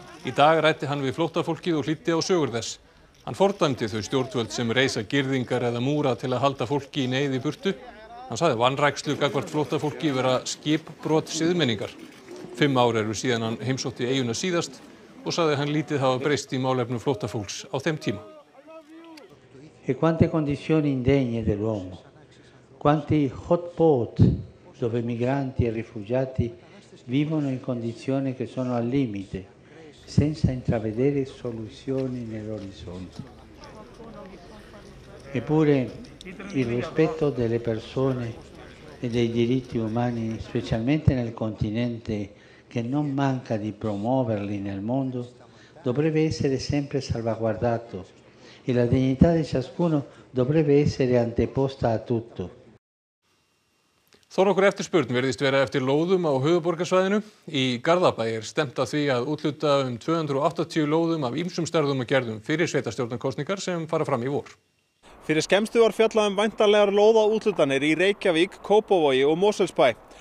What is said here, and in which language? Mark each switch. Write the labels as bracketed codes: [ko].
[is] Í dag ræddi hann við flóttafólkið og hlýddi á sögur þess. Hann fordæmdi þau stjórnvöld sem reisa girðingar eða múra til að halda fólki í neyð í burtu. Hann sagði vanrækslu gagnvart flóttafólki vera skipbrot siðmenningar. 5 ár eru síðan hann heimsótti eyjuna síðast og sagði hann lítið hafa breyst í málefnu flóttafólks á þeim tíma. [it] E quante condizioni indegne dell'uomo, quanti hot pot dove migranti e rifugiati vivono in condizioni che sono al limite, senza intravedere soluzioni nell'orizzonte. Eppure il rispetto delle persone e dei diritti umani, specialmente nel continente che non manca di promuoverli nel mondo, dovrebbe essere sempre salvaguardato. E la dignità di ciascuno dovrebbe essere anteposta a tutto. [is] Þó nokkur eftirspurn virðist vera eftir lóðum á höfuðborgarsvæðinu. Í Garðabæ er stefnt að því að úthluta 280 lóðum af ýmsum stærðum og gerðum fyrir sveitarstjórnarkosningar sem fara fram í vor. Fyrir skemmstu var fjallað væntanlegar lóðaúthlutanir í Reykjavík, Kópavogi og Mosfellsbæ.